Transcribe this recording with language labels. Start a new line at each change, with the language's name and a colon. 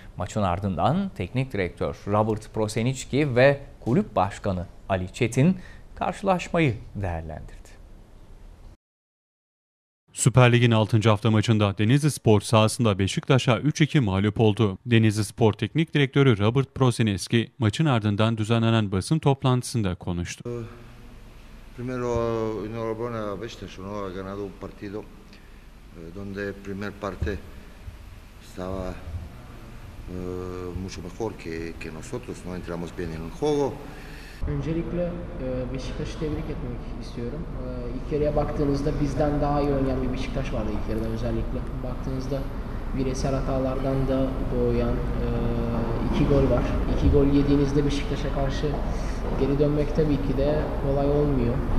Turkish: Maçın ardından teknik direktör Robert Prosenički ve kulüp başkanı Ali Çetin karşılaşmayı değerlendirdi. Süper Lig'in 6. hafta maçında Denizli Spor sahasında Beşiktaş'a 3-2 mağlup oldu. Denizli Spor teknik direktörü Robert Prosenički maçın ardından düzenlenen basın toplantısında konuştu.
Spanish: Primero enhorabuena a Beşiktaş, ¿no? Ha ganado un partido donde primer parte estaba mucho mejor que nosotros, ¿no? Entramos bien en el juego.
Turkish: Öncelikle Beşiktaş'ı tebrik etmek istiyorum. İlk yarıya baktığınızda bizden daha iyi oynayan bir Beşiktaş vardı ilk yarıda özellikle. Baktığınızda bireysel hatalardan da boğuyan iki gol var. İki gol yediğinizde Beşiktaş'a karşı geri dönmek tabii ki de kolay olmuyor.